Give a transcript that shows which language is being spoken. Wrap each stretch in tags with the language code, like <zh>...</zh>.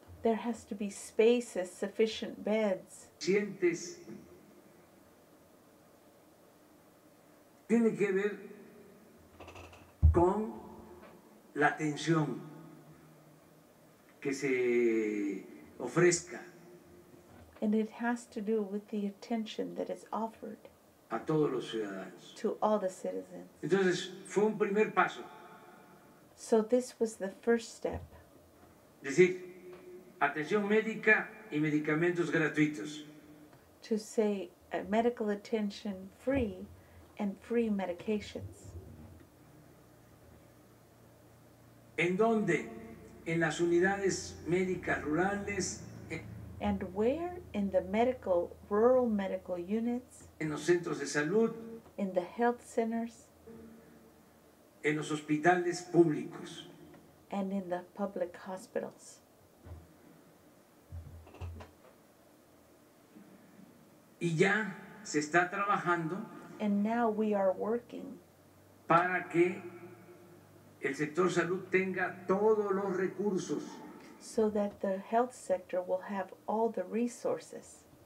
<en>There has to be spaces, sufficient beds.</en> <es>Suficientes. Tiene que ver con la atención que se ofrezca.</es> <en>And it has to do with the attention that is offered</en> <es>a todos los ciudadanos.</es> <en>To all the citizens.</en> <es>Entonces, fue un primer paso.</es> <en>So this was the first step.</en> <es>Es decir, atención médica y medicamentos gratuitos.</es> <en>To say a medical attention free and free medications.</en> <es>¿En dónde? En las unidades médicas rurales.</es> <en>And where? In the medical, rural medical units.</en> <es>En los centros de salud.</es> <en>In the health centers.</en> <es>En los hospitales públicos.</es> <en>And in the public hospitals.</en> <es>Y ya se está trabajando.</es> <en>And now we are working.</en> <es>Para que el sector salud tenga todos los recursos.</es> <en>So that the health sector will have all the resources.</en>